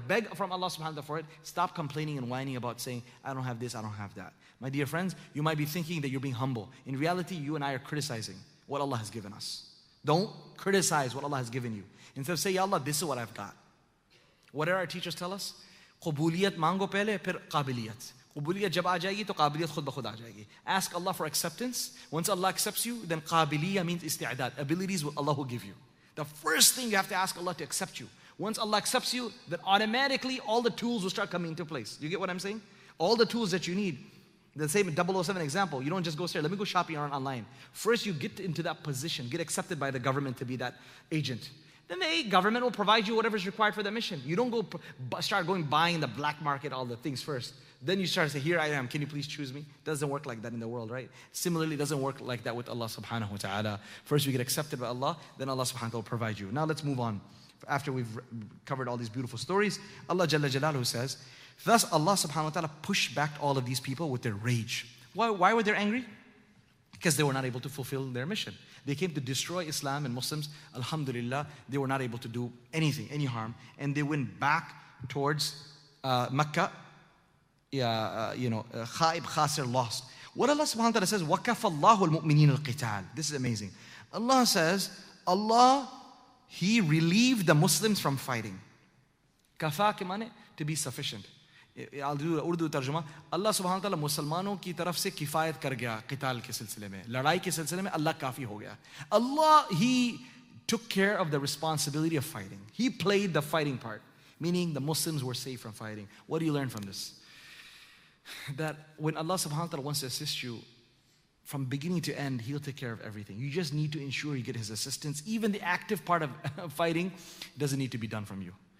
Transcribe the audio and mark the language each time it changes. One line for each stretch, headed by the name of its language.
English: Beg from Allah subhanahu wa ta'ala for it. Stop complaining and whining about saying, I don't have this, I don't have that. My dear friends, you might be thinking that you're being humble. In reality, you and I are criticizing what Allah has given us. Don't criticize what Allah has given you. Instead of saying, Ya Allah, this is what I've got. What did our teachers tell us?
Urdu: قُبُولِيَتْ مَانْغُو پَهْلَي پھر قَابِلِيَتْ. قُبُولِيَتْ جَبْ آجَائِي تو قَابِلِيَتْ خُدْ بَخُدْ آجَائِي.
English: Ask Allah for acceptance. Once Allah accepts you, then قَابِلِيَة means استعداد. Abilities will Allah will give you. The first thing you have to ask Allah to accept you. Once Allah accepts you, then automatically all the tools will start coming into place. You get what I'm saying? All the tools that you need. The same 007 example. You don't just go say, let me go shopping around online. First you get into that position, get accepted by the government to be that agent. Then the government will provide you whatever is required for that mission. You don't go start going buying the black market, all the things first. Then you start to say, here I am, can you please choose me? Doesn't work like that in the world, right? Similarly, it doesn't work like that with Allah subhanahu wa ta'ala. First we get accepted by Allah, then Allah subhanahu wa ta'ala will provide you. Now let's move on. After we've covered all these beautiful stories, Allah Jalla Jalaluhu says, thus Allah subhanahu wa ta'ala pushed back all of these people with their rage. Why were they angry? Because they were not able to fulfill their mission. They came to destroy Islam and Muslims. Alhamdulillah, they were not able to do anything, any harm. And they went back towards Mecca.
Arabic: خائب، خاسر، lost.
English: What Allah subhanahu wa ta'ala says,
Arabic: وَكَفَ اللَّهُ الْمُؤْمِنِينَ الْقِتَالِ.
English: This is amazing. Allah says, Allah, He relieved the Muslims from fighting.
Urdu: Kafa ke mane?
English: To be sufficient. I'll do Urdu ترجمہ.
Urdu: اللہ سبحانہ و تعالیٰ مسلمانوں کی طرف سے کفایت کر گیا قتال کے سلسلے میں۔ لڑائی کے سلسلے میں اللہ کافی ہو گیا۔
English: Allah, He took care of the responsibility of fighting. He played the fighting part. Meaning the Muslims were safe from fighting. What do you learn from this? That when Allah subhanahu wa ta'ala wants to assist you, from beginning to end, He'll take care of everything. You just need to ensure you get His assistance. Even the active part of fighting doesn't need to be done from you.